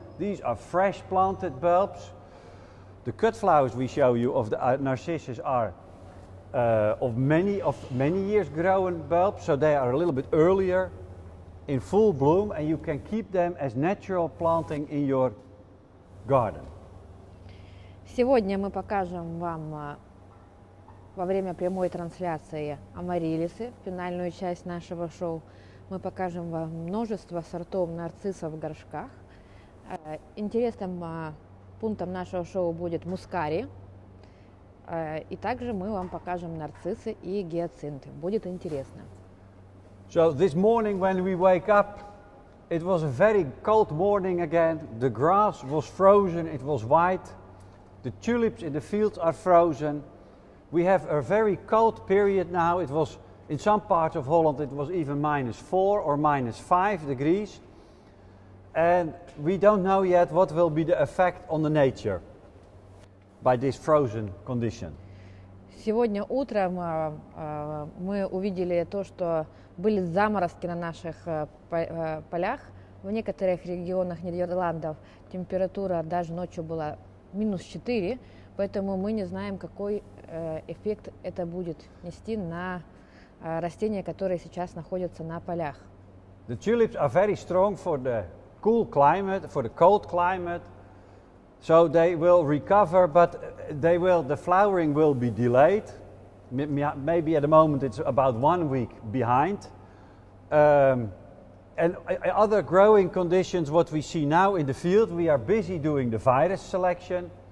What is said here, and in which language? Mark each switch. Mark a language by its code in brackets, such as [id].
[en] These are fresh planted bulbs. The cut flowers we show you of the Narcissus are of many years grown bulbs, so they are a little bit earlier in full bloom, and you can keep them as natural planting in your garden. [ru] Сегодня мы покажем вам во время прямой трансляции амариллисы, финальную часть нашего шоу. Мы покажем вам множество сортов нарциссов в горшках. Интересным пунктом нашего шоу будет мускари. И также мы вам покажем нарциссы и гиацинты. Будет интересно. [en] So this morning when we wake up, it was a very cold morning again. The grass was frozen, it was white. The tulips in the fields are frozen. We have a very cold period now. It was in some parts of Holland, it was even -4 or -5 degrees. And we don't know yet what will be the effect on the nature by this frozen condition. [ru] Сегодня утром мы увидели то, что были заморозки на наших полях. В некоторых регионах Нидерландов температура даже ночью была -4, поэтому мы не знаем, какой эффект это будет нести на растения, которые сейчас находятся на полях. [en] The tulips are very strong for the cool climate, for the cold climate. So they will recover, but the flowering will be delayed. Maybe at the moment it's about 1 week behind. And other growing conditions, what we see now in the field, we are busy doing the virus selection.